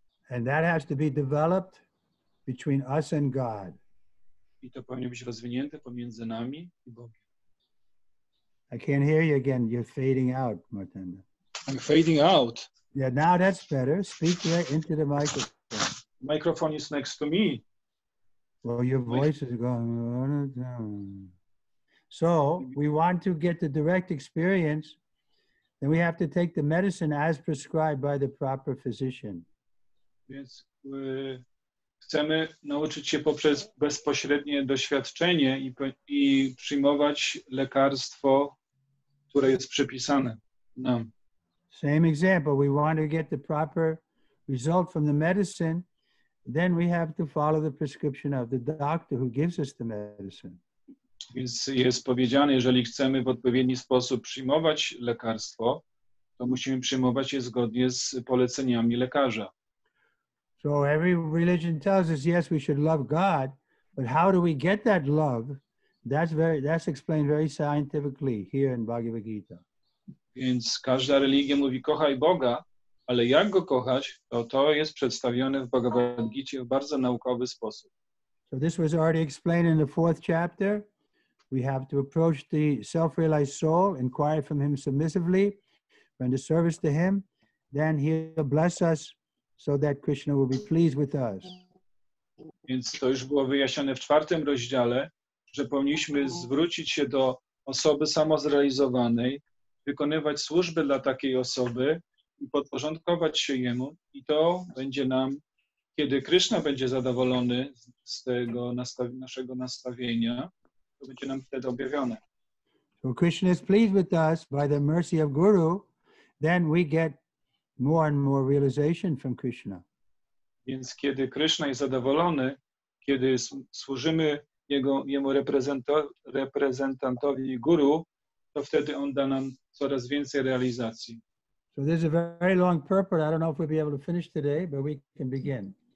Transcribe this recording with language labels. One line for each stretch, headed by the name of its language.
English: And that has to be developed between us and God.
Polish: I to powinno być rozwinięte pomiędzy nami i Bogiem.
English: I can't hear you again. You're fading out, Martenda. I'm fading out. Yeah, now that's better. Speak right into the microphone. The microphone is next to me. Well, your voice is going. So we want to get the direct experience, then we have to take the medicine as prescribed by the proper physician.
Polish: Więc chcemy nauczyć się poprzez bezpośrednie doświadczenie i przyjmować lekarstwo, które jest przypisane nam.
English: Same example, we want to get the proper result from the medicine, then we have to follow the prescription of the doctor who gives us the medicine.
Polish: Jest powiedziane, jeżeli chcemy w odpowiedni sposób przyjmować lekarstwo, to musimy przyjmować je zgodnie z poleceniami lekarza.
English: So every religion tells us, yes, we should love God, but how do we get that love? That's explained very scientifically here in Bhagavad Gita.
Polish: Więc każda religia mówi, kochaj Boga, ale jak go kochać, to jest przedstawione w Bhagavad Gita w bardzo naukowy sposób.
English: So this was already explained in the fourth chapter. We have to approach the self-realized soul, inquire from him submissively, render service to him, then he'll bless us so that Krishna will be pleased with us.
Polish: Więc to już było wyjaśnione w czwartym rozdziale, że powinniśmy zwrócić się do osoby samozrealizowanej, wykonywać służby dla takiej osoby i podporządkować się jemu i to będzie nam, kiedy Krishna będzie zadowolony z tego naszego nastawienia, to będzie nam wtedy objawione.
English: So Krishna is pleased with us by the mercy of Guru, then we get more and more realization from Krishna.
Polish: Więc kiedy Krishna jest zadowolony, kiedy służymy jemu reprezentantowi Guru, to wtedy on da nam coraz więcej realizacji.
English: So there's a very long purport. I don't know if we'll be able to finish today, but we can begin.